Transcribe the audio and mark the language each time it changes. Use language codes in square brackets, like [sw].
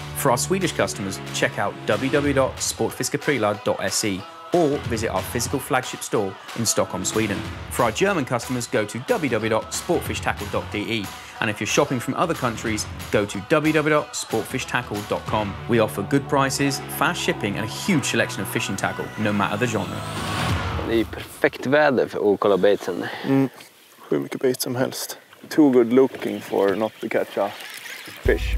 [en] For our Swedish customers, check out www.sportfiskeprilad.se or visit our physical flagship store in Stockholm, Sweden. For our German customers, go to www.sportfishtackle.de. And if you're shopping from other countries, go to www.sportfishtackle.com. We offer good prices, fast shipping and a huge selection of fishing tackle, no matter the genre. [sv] Det är perfekt väder för att kolla baiten. Mm. Hur mycket bait som helst. [en] Too good looking for not to catch a fish.